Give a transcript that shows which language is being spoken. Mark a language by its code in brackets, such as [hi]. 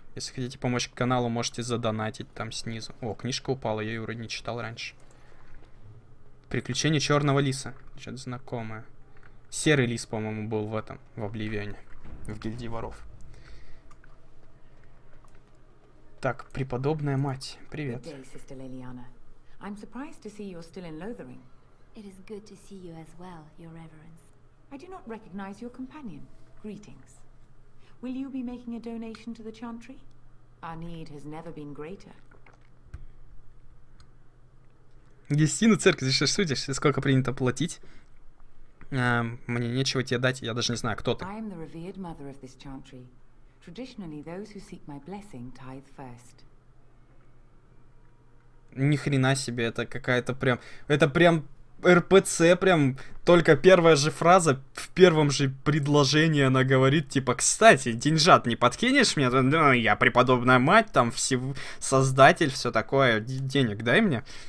[ru] Если хотите помочь каналу, можете задонатить там снизу. О, книжка упала, я ее вроде не читал раньше. Приключения черного лиса. Что-то знакомое. Серый лис, по-моему, был в этом, в Обливионе, в гильдии воров. Так, преподобная мать, привет. [en] Good day, sister Liliana. I'm surprised to see you're still in Lothering. It is good to see you as well, your reverence. I do not recognize your companion. Greetings. Will you be making a donation to the Chantry? Our need has never been greater. [ru] Гестину церкви, здесь что судишь? Сколько принято платить? Мне нечего тебе дать, я даже не знаю, кто ты. [en] I am the revered mother of this chantry. Traditionally, those who seek my blessing tithe first. [ru] Ни хрена себе, это какая-то прям... Это прям РПЦ, прям только первая же фраза, в первом же предложении она говорит, типа, кстати, деньжат не подкинешь мне? Ну, я преподобная мать, там, создатель, все такое, денег дай мне.